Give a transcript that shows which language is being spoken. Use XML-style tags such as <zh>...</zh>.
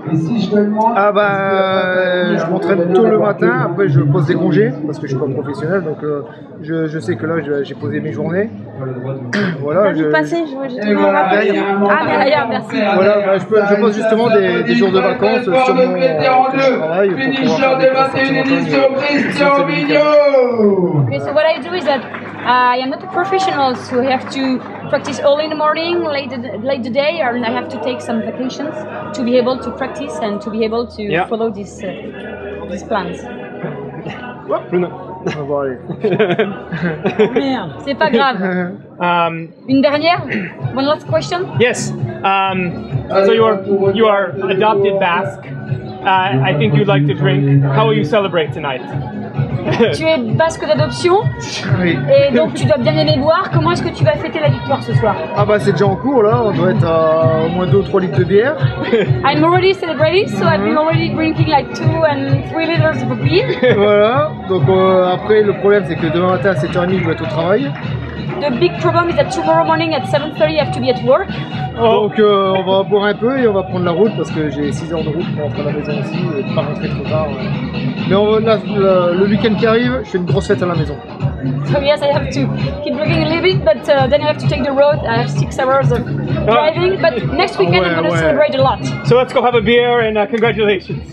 <fr>Je m'entraîne tôt le matin, après je pose des congés parce que je suis pas professionnel, donc je sais que là j'ai posé mes journées. Voilà, je pose justement des jours de vacances sur mon travail. Finisher des 21 éditions, Christian Vigneault.</fr> <en>Ok, so what I do is that I am not a professional, so I have to practice early in the morning, late the day, or I have to take some vacations to be able to practice and to be able to follow these plans. Oh, Bruno.</en> <fr>On va aller. Merde. C'est pas grave. Une dernière?</fr> <en>One last question? Yes. So you are adopted Basque. I think you'd like to drink. How will you celebrate tonight?</en> <fr>Tu es basque d'adoption, oui. Et donc tu dois bien aimer boire. Comment est-ce que tu vas fêter la victoire ce soir? Ah bah c'est déjà en cours là, on doit être à au moins 2 ou 3 litres de bière.</fr> <en>I'm already celebrating, so I've been already drinking like 2 and 3 liters of beer.</en> <fr>Voilà, donc après le problème c'est que demain matin à 7h30 je dois être au travail.</fr> <en>The big problem is that tomorrow morning at 7:30 I have to be at work. Oh.</en> <fr>Donc on va boire un peu et on va prendre la route parce que j'ai 6 heures de route pour rentrer à la maison aussi et pas rentrer trop tard. Ouais. Mais le week-end qui arrive, je fais une grosse fête à la maison.</fr> <en>So yes, I have to keep drinking a little bit, but then I have to take the road. I have 6 hours of driving, but next weekend I'm going to celebrate a lot. So let's go have a beer and congratulations.</en>